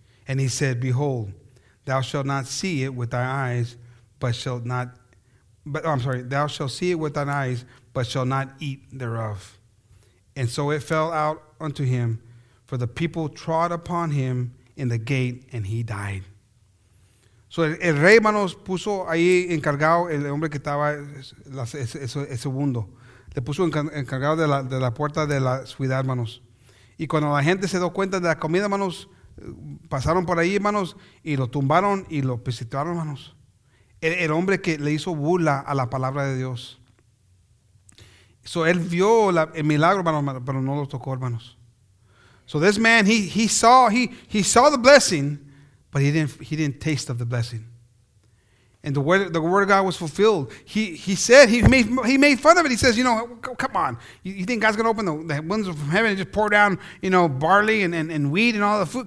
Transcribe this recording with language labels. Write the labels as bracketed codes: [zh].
[en] And he said, behold, thou shalt not see it with thy eyes, thou shalt see it with thine eyes, but shalt not eat thereof. And so it fell out unto him, for the people trod upon him in the gate, and he died. [es] So el rey, hermanos, puso ahí encargado el hombre que estaba el segundo. Le puso encargado de la puerta de la ciudad, hermanos. Y cuando la gente se dio cuenta de la comida, hermanos, pasaron por ahí, hermanos, y lo tumbaron y lo pisotearon, hermanos. El hombre que le hizo burla a la palabra de Dios. So él vio el milagro, hermanos, pero no lo tocó, hermanos. [en] So this man, he saw the blessing, but he didn't taste of the blessing. And the word of God was fulfilled. He made fun of it. He says, you know, come on. You think God's going to open the windows from heaven and just pour down, you know, barley and wheat and all the food?